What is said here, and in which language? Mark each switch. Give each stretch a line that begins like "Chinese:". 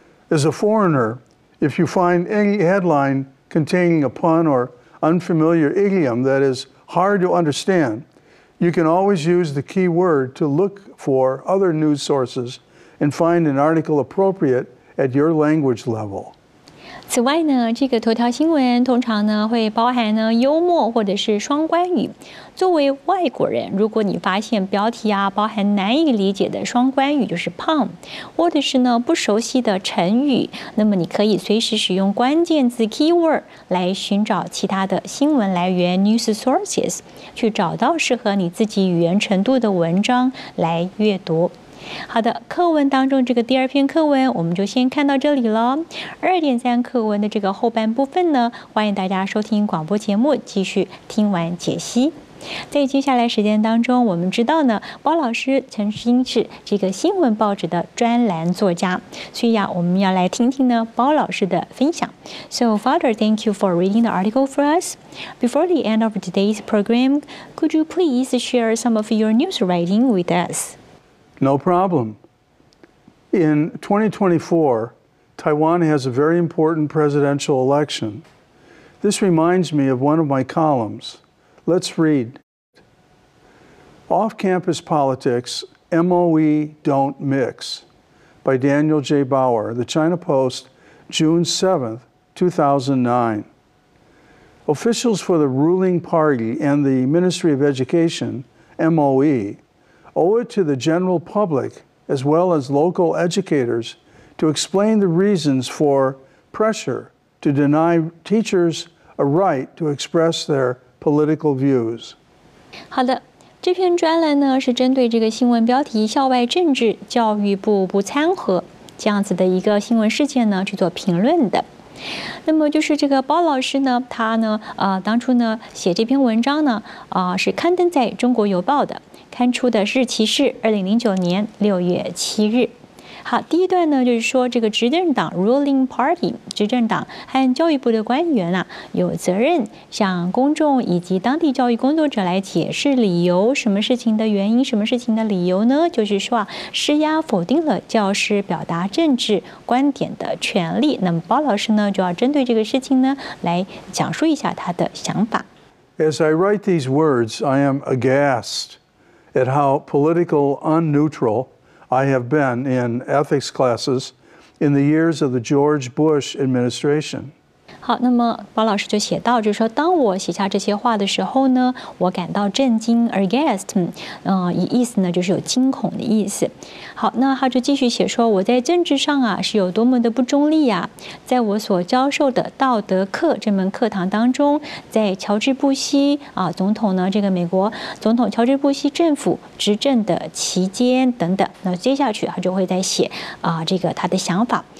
English: As a foreigner, if you find any headline containing a pun orunfamiliar idiom that is hard to understand, you can always use the key word to look for other news sources and find an article appropriate at your language level.
Chinese: 此外呢，这个头条新闻通常呢会包含呢幽默或者是双关语。作为外国人，如果你发现标题啊包含难以理解的双关语，就是 pun， 或者是呢不熟悉的成语，那么你可以随时使用关键字 keyword 来寻找其他的新闻来源 news sources， 去找到适合你自己语言程度的文章来阅读。好的，课文当中这个第二篇课文我们就先看到这里了。 2.3 课文的这个后半部分呢，欢迎大家收听广播节目，继续听完解析。在接下来时间当中，我们知道呢，包老师曾经是这个新闻报纸的专栏作家，所以呀，我们要来听听呢包老师的分享。
English: So Father, thank you for reading the article for us. Before the end of today's program, could you please share some of your news writing with us No problem. In 2024, Taiwan has a very important presidential election. This reminds me of one of my columns. Let's read. Off-campus politics, MOE don't mix, by Daniel J. Bauer, The China Post, June 7th, 2009. Officials for the ruling party and the Ministry of Education, MOE,owe it to the general public, as well as local educators, to explain the reasons for pressure to deny teachers a right to express their political views.
Chinese: 好的，这篇专栏呢是针对这个新闻标题“校外政治，教育部不参合”这样子的一个新闻事件呢去做评论的。那么就是这个包老师呢，他呢当初呢写这篇文章呢是刊登在《中国邮报》的，刊出的日期是2009年6月7日。好，第一段呢就是说这个执政党 ruling party 执政党和教育部的官员啊有责任向公众以及当地教育工作者来解释理由，什么事情的原因，什么事情的理由呢，就是说啊施压否定了教师表达政治观点的权利。那么包老师呢就要针对这个事情呢来讲述一下他的想法。
English: As I write these words, I am aghast at how political unneutralI have been in ethics classes in the years of the George Bush administration.
Chinese: 好，那么包老师就写到，就是说，当我写下这些话的时候呢，我感到震惊 ，aghast， 意思呢就是有惊恐的意思。好，那他就继续写说，我在政治上啊是有多么的不中立啊，在我所教授的道德课这门课堂当中，在乔治布希啊总统呢，这个美国总统乔治布希政府执政的期间等等，那接下去他就会再写这个他的想法。